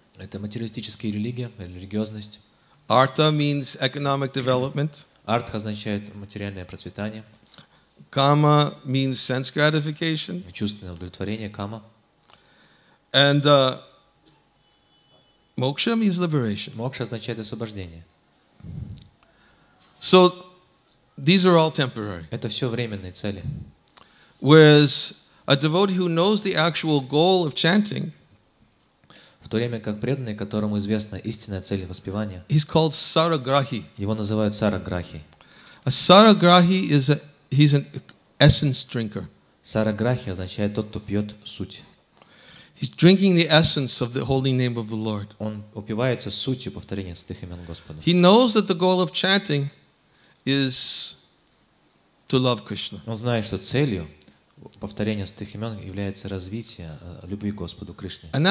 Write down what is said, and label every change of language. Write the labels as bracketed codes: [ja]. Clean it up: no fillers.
[ru] Это материалистическая религия, религиозность. [en] Artha means economic development. [ru] Артха означает материальное процветание. [en] Kama means sense gratification. [ru] Чувственное удовлетворение, кама. [en] And moksha means liberation. [ru] Мокша означает освобождение. [en] So these are all temporary. [ru] Это все временные цели. [en] Whereas a devotee who knows the actual goal of chanting, [ru] в то время как преданный, которому известна истинная цель воспевания, [en] he's called Sarograhi. [ru] Его называют Sarograhi. [en] A Sarograhi is a, he's an essence drinker. [ru] Sarograhi означает тот, кто пьет суть. [en] He's drinking the essence of the holy name of the Lord. [ru] Он упивается сутью повторения святых имен Господа. [en] He knows that the goal of chanting is to love Krishna. [ru] Он знает, что целью повторение святых имен является развитие любви к Господу Кришне.